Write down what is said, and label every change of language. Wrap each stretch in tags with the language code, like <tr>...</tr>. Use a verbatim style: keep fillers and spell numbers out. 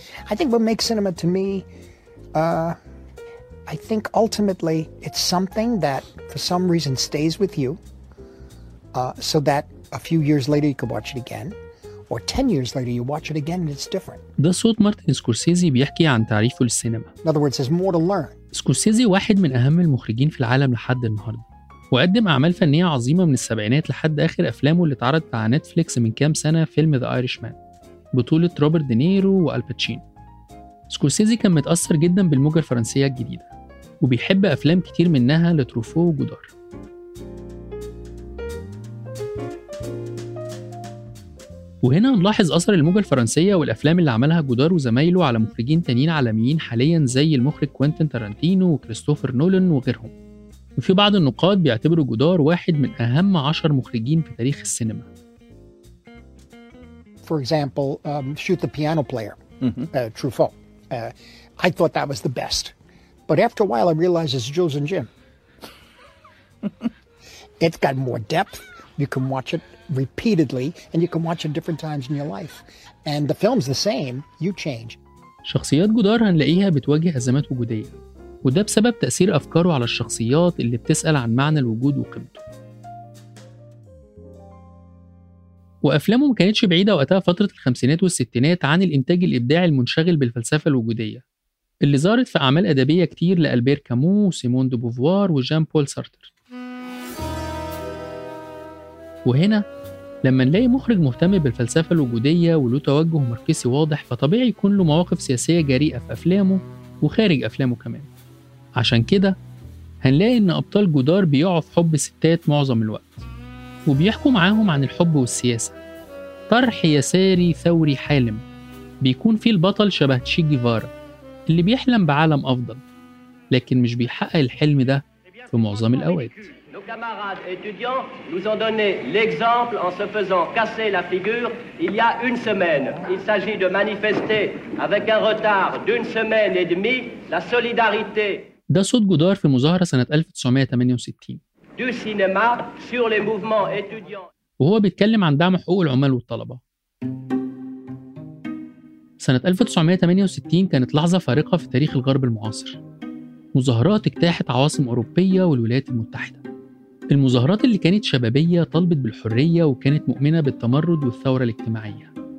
<en>I think what makes cinema to me, uh, I think ultimately it's something that for some reason stays with you uh, so that a few years later you can watch it again or ten years later you watch it again and it's different.</en> <ar>ده صوت مارتن سكورسيزي بيحكي عن تعريفه للسينما.</ar> <en>In other words, there's more to learn.</en> <ar>سكورسيزي واحد من أهم المخرجين في العالم لحد النهاردة، وقدم أعمال فنية عظيمة من السبعينات لحد آخر أفلامه اللي اتعرضت على نتفليكس من كام سنة فيلم The Irishman بطولة روبرت دينيرو والباتشينو. سكورسيزي كان متأثر جداً بالموجة الفرنسية الجديدة، وبيحب أفلام كتير منها لتروفو وجودار. وهنا نلاحظ أثر الموجة الفرنسية والأفلام اللي عملها جودار وزمايله على مخرجين تانيين عالميين حالياً زي المخرج كوينتين تارانتينو وكريستوفر نولان وغيرهم. وفي بعض النقاد بيعتبروا جودار واحد من أهم عشر مخرجين في تاريخ السينما.</ar> <en>For example, um, shoot the piano player, uh, Truffaut. Uh, I thought that was the best. But after a while, I realized it's Jules and Jim. It's got more depth. You can watch it repeatedly, and you can watch it different times in your life. And the film's the same. You change.</en> <ar>شخصيات جدار هنلاقيها بتواجه أزمات وجودية، وده بسبب تأثير أفكاره على الشخصيات اللي بتسأل عن معنى الوجود وقيمته. وأفلامه ما كانتش بعيدة وقتها فترة الخمسينات والستينات عن الإنتاج الإبداعي المنشغل بالفلسفة الوجودية اللي ظهرت في أعمال أدبية كتير لألبير كامو وسيمون دو بوفوار وجان بول سارتر. وهنا لما نلاقي مخرج مهتم بالفلسفة الوجودية وله توجه ماركسي واضح، فطبيعي يكون له مواقف سياسية جريئة في أفلامه وخارج أفلامه كمان. عشان كده هنلاقي إن أبطال جودار بيقعوا في حب ستات معظم الوقت، وبيحكوا معاهم عن الحب والسياسة، طرح يساري ثوري حالم بيكون فيه البطل شبه تشي جيفارا اللي بيحلم بعالم أفضل، لكن مش بيحقق الحلم ده في معظم الأوقات.</ar> <fr>Nos camarades étudiants nous ont donné l'exemple en se faisant casser la figure il y a une semaine. Il s'agit de manifester avec un retard d'une semaine et demie la solidarité.</fr> <ar>ده صوت جودار في مظاهرة سنة ألف وتسعمية وتمانية وستين</ar> <fr>du cinéma sur les mouvements étudiants.</fr> <ar>وهو بيتكلم عن دعم حقوق العمال والطلبة. سنة ألف وتسعمية وتمانية وستين كانت لحظة فارقة في تاريخ الغرب المعاصر. مظاهرات اجتاحت عواصم أوروبية والولايات المتحدة. المظاهرات اللي كانت شبابية طالبت بالحرية وكانت مؤمنة بالتمرد والثورة الاجتماعية.</ar>